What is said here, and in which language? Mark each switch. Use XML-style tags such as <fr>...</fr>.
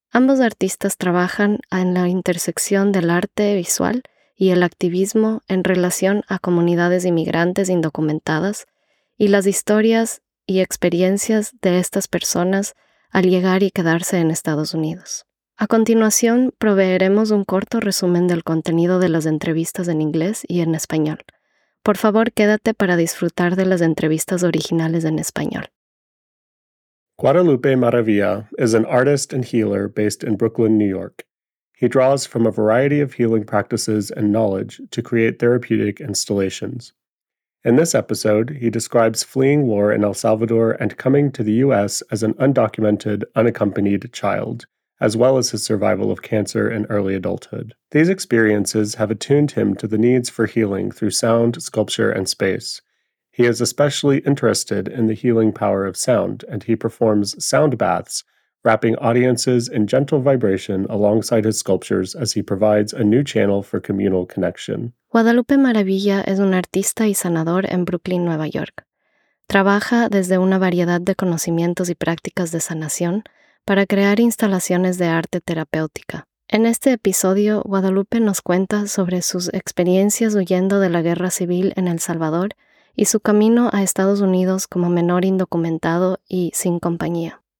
<es>Ambos artistas trabajan en la intersección del arte visual y el activismo en relación a comunidades inmigrantes indocumentadas y las historias y experiencias de estas personas al llegar y quedarse en Estados Unidos. A continuación, proveeremos un corto resumen del contenido de las entrevistas en inglés y en español. Por favor, quédate para disfrutar de las entrevistas originales en español.</es> <en>Guadalupe Maravilla is an artist and healer based in Brooklyn, New York. He draws from a variety of healing practices and knowledge to create therapeutic installations. In this episode, he describes fleeing war in El Salvador and coming to the U.S. as an undocumented, unaccompanied child, as well as his survival of cancer in early adulthood. These experiences have attuned him to the needs for healing through sound, sculpture, and space. He is especially interested in the healing power of sound, and he performs sound baths, wrapping audiences in gentle vibration alongside his sculptures as he provides a new channel for communal connection.</en> <es>Guadalupe Maravilla es un artista y sanador en Brooklyn, Nueva York. Trabaja desde una variedad de conocimientos y prácticas de sanación para crear instalaciones de arte terapéutica. En este episodio, Guadalupe nos cuenta sobre sus experiencias huyendo de la guerra civil en El Salvador y su camino a Estados Unidos como menor indocumentado y sin compañía.</es>